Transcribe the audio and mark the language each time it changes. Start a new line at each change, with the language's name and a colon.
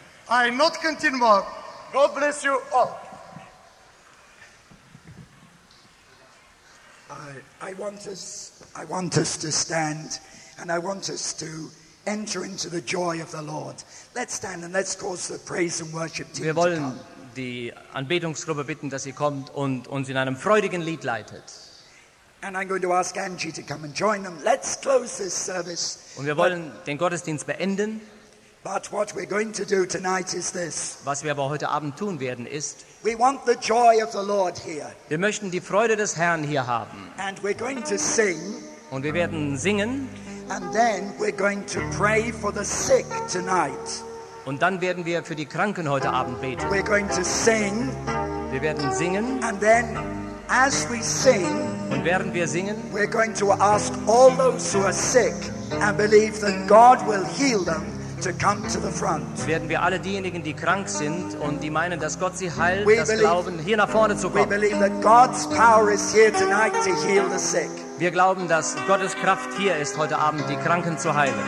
English: I not continue more. God bless you all. I want us to stand, and I want us to enter into the joy of the Lord. Let's stand and let's cause the praise and worship team.
German: Wir wollen die Anbetungsgruppe bitten, dass sie kommt und uns in einem freudigen Lied leitet.
English: And I'm going to ask Angie to come and join them. Let's close this service.
German: Und wir wollen den Gottesdienst beenden.
English: But what we're going to do tonight is this.
German: Was wir aber heute Abend tun werden ist,
English: we want the joy of the Lord here.
German: Wir möchten die Freude des Herrn hier haben.
English: And we're going to sing.
German: Und wir werden singen.
English: And then we're going to pray for the sick tonight.
German: Und dann werden wir für die Kranken heute Abend beten.
English: We're going to sing.
German: Wir werden singen.
English: And then as we sing,
German: und während wir singen,
English: we're going to ask all those who are sick and believe that God will heal them to come to the front.
German: Werden wir alle diejenigen, die krank sind und die meinen, dass Gott sie heilt, we das believe, glauben, hier nach vorne zu kommen.
English: We believe that God's power is here tonight to heal the sick.
German: Wir glauben, dass Gottes Kraft hier ist, heute Abend die Kranken zu heilen.